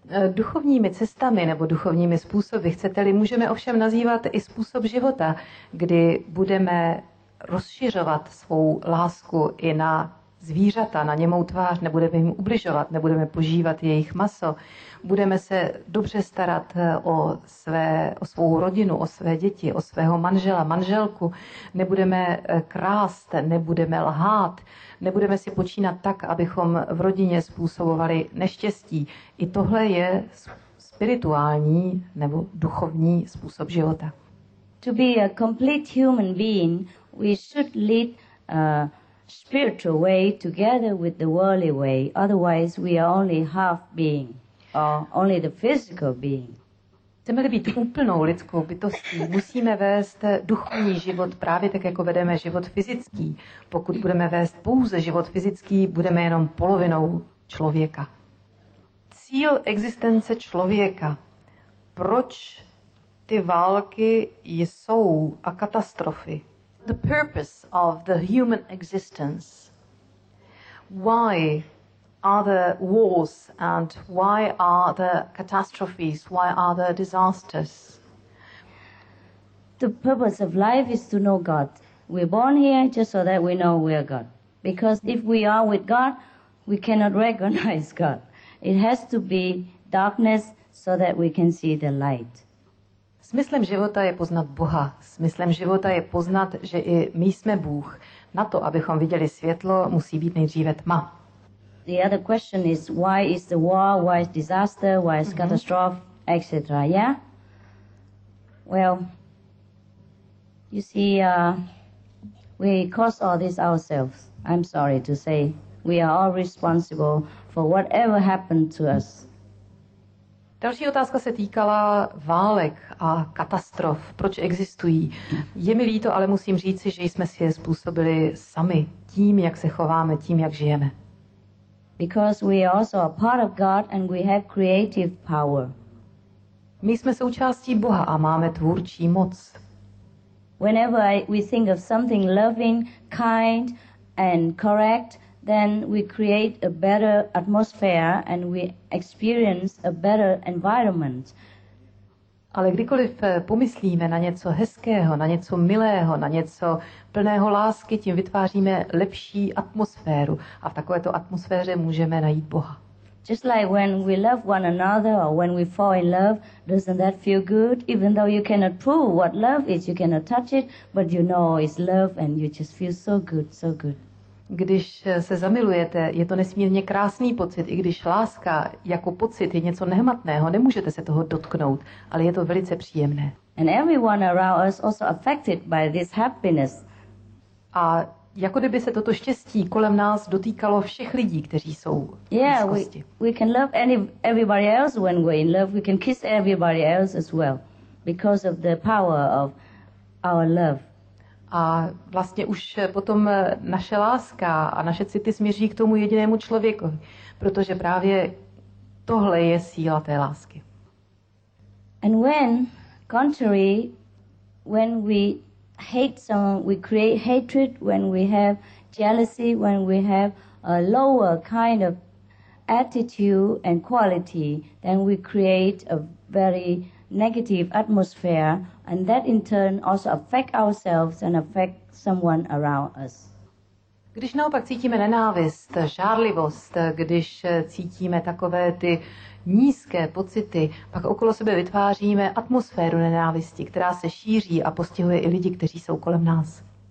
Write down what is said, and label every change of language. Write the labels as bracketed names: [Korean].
[Czech] Duchovními cestami nebo duchovními způsoby, chcete-li, můžeme ovšem nazývat i způsob života, kdy budeme rozšiřovat svou lásku i na zvířata, na němou tvář, nebudeme jim ubližovat, nebudeme požívat jejich maso, budeme se dobře starat o svou rodinu, o své děti, o svého manžela, manželku, nebudeme krást, nebudeme lhát, nebudeme si počínat tak, abychom v rodině způsobovali neštěstí. I tohle je spirituální nebo duchovní způsob života. [English] To be a complete human being, we should lead spiritual way together with the worldly way, otherwise we are only half being or only the physical being. [Czech] Chceme-li být úplnou lidskou bytostí, musíme vést duchovní život právě tak, jako vedeme život fyzický. Pokud budeme vést pouze život fyzický, budeme jenom polovinou člověka. Cíl existence člověka. Proč ty války jsou a katastrofy? [English] The purpose of the human existence. Why are there wars and why are there catastrophes? Why are there disasters? The purpose of life is to know God. We're born here just so that we know we are God. Because if we are with God, we cannot recognize God. It has to be darkness so that we can see the light. [Czech] Smyslem života je poznat Boha. Smyslem života je poznat, že i my jsme Bůh. Na to, abychom viděli světlo, musí být nejdříve tma. [English] The other question is why is the war, why is disaster, why is catastrophe, etc. Yeah? Well, you see, we cause all this ourselves. I'm sorry to say, we are all responsible for whatever happened to us. [Czech] Další otázka se týkala válek a katastrof. Proč existují? Je mi líto, ale musím říci, že jsme si je způsobili sami tím, jak se chováme, tím, jak žijeme. [English] Because we are also a part of God and we have creative power. [Czech] My jsme součástí Boha a máme tvůrčí moc. [English] Whenever we think of something loving, kind and correct, then we create a better atmosphere and we experience a better environment. [Czech] Ale kdykoliv pomyslíme na něco hezkého, na něco milého, na něco plného lásky, tím vytváříme lepší atmosféru a v takovéto atmosféře můžeme najít Boha. [English] Just like when we love one another or when we fall in love, doesn't that feel good? Even though you cannot prove what love is, you cannot touch it, but you know it's love and you just feel so good, so good. [Czech] Když se zamilujete, je to nesmírně krásný pocit, i když láska jako pocit je něco nehmatného, nemůžete se toho dotknout, ale je to velice příjemné. [English] And everyone around us also affected by this happiness. [Czech] A jako kdyby se toto štěstí kolem nás dotýkalo všech lidí, kteří jsou v blízkosti. [English] Yeah, we can love everybody else when we're in love, we can kiss everybody else as well, because of the power of our love. [Czech] A vlastně už potom naše láska a naše city směří k tomu jedinému člověku, protože právě tohle je síla té lásky. [English] And when, contrary, when we hate someone, we create hatred, when we have jealousy, when we have a lower kind of attitude and quality, then we create a very negative atmosphere, and that in turn also affect ourselves and affect someone around us. [Czech] Když naopak cítíme nenávist, žárlivost, když cítíme takové ty nízké pocity, pak okolo sebe vytváříme atmosféru nenávisti, která se šíří a postihuje i lidi, kteří jsou kolem nás.